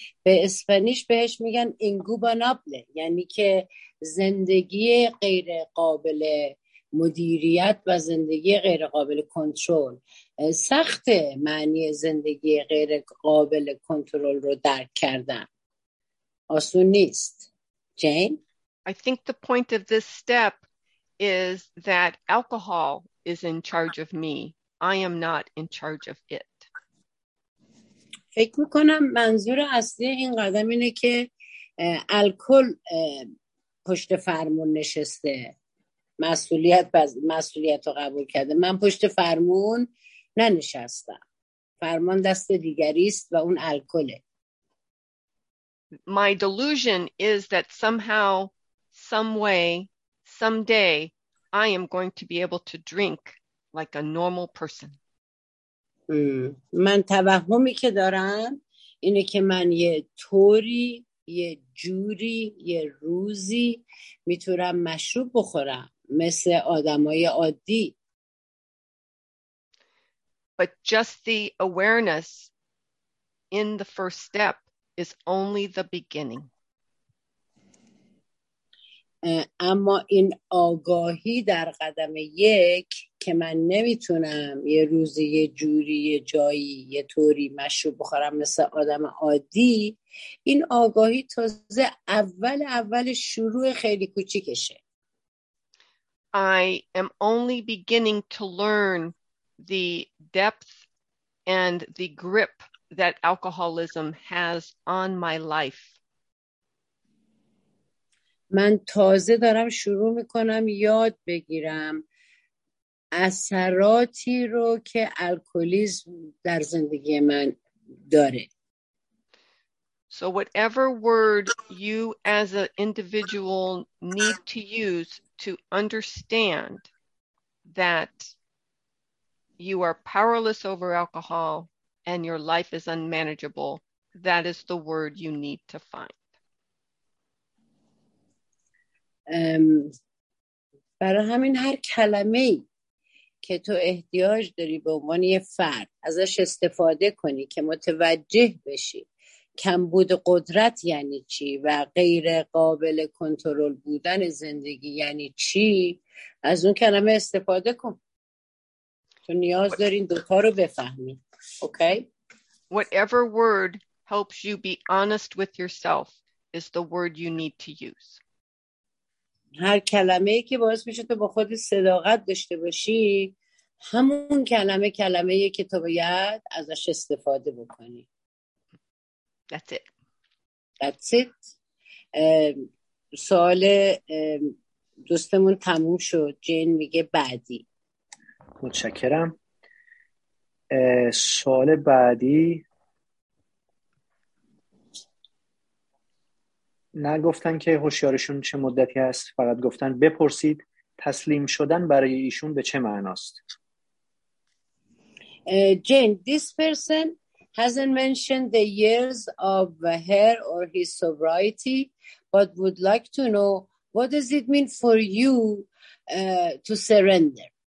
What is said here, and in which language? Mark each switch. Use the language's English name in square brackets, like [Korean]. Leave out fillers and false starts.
[Persian] به اسپانیش بهش میگن اینگوبانابله، یعنی که زندگی غیر قابل مدیریت و زندگی غیر قابل کنترل. سخت معنی زندگی غیر قابل کنترل رو درک کردن، آسون نیست. جین، [English] I think the point of this step is that alcohol is in charge of me. I am not in charge of it. [Persian] فکر میکنم منظور اصلی این قدم اینه که الکل پشت فرمون نشسته، مسئولیت رو قبول کرده. من پشت فرمون ننشستم، فرمان دست دیگری است و اون الکله. [English] My delusion is that somehow, some way, someday, I am going to be able to drink like a normal person. [Persian] من توهمی که دارم اینه که من یه طوری، یه جوری، یه روزی میتونم مشروب بخورم مثل آدمای عادی. [English] But just the awareness in the first step is only the beginning. [Persian] اما این آگاهی در قدم یک که من نمیتونم یه روزی یه جوری یه جایی یه طوری مشروب بخورم مثل آدم عادی، این آگاهی تازه اول شروع خیلی کوچیکشه. [English] I am only beginning to learn the depth and the grip that alcoholism has on my life. [Persian] من تازه دارم شروع میکنم یاد بگیرم اثراتی رو که الکلیسم در زندگی من داره. [English] So whatever word you as an individual need to use to understand that you are powerless over alcohol and your life is unmanageable, that is the word you need to find. [Persian] برای همین هر کلمه که تو احتیاج داری به عنوان یه فرد ازش استفاده کنی که متوجه بشی کمبود قدرت یعنی چی و غیر قابل کنترل بودن زندگی یعنی چی، از اون کلمه استفاده کن. تو نیاز داری این دوتا رو بفهمی. [English] Okay? Whatever word helps you be honest with yourself is the word you need to use. [Persian] هر کلمه‌ای که باعث میشه تو با خود صداقت داشته باشی، همون کلمه‌ای که تو باید ازش استفاده بکنی. [English] That's it. [Persian] سوال دوستمون تموم شد. جین میگه بعدی. متشکرم. سوال بعدی نگفتن که هوشیارشون چه مدتی است، فقط گفتن بپرسید تسلیم شدن برای ایشون به چه معناست. [English] Jane, this person hasn't mentioned the years of her or his sobriety, but would like to know what does it mean for you to surrender?